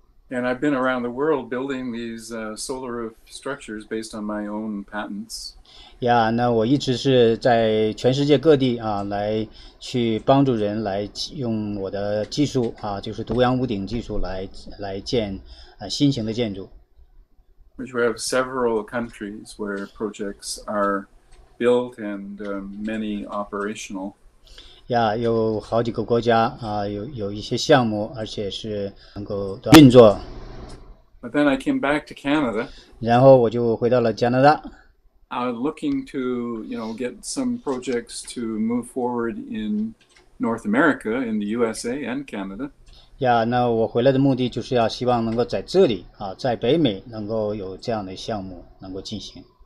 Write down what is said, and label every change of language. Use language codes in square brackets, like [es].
[en] And I've been around the world building these solar roof structures based on my own patents. [zh] Yeah, 那我一直是在全世界各地来去帮助人来用我的技术就是独阳屋顶技术来建新型的建筑。 [en] Which we have several countries where projects are built and many operational. [zh] Yeah, 有好几个国家有一些项目而且是能够运作。 [en] But then I came back to Canada. [zh] 然后我就回到了加拿大。 [en] Looking to, you know, get some projects to move forward in North America, in the USA and Canada. [zh] Yeah, 那我回来的目的就是要希望能够在这里，在北美能够有这样的项目能够进行。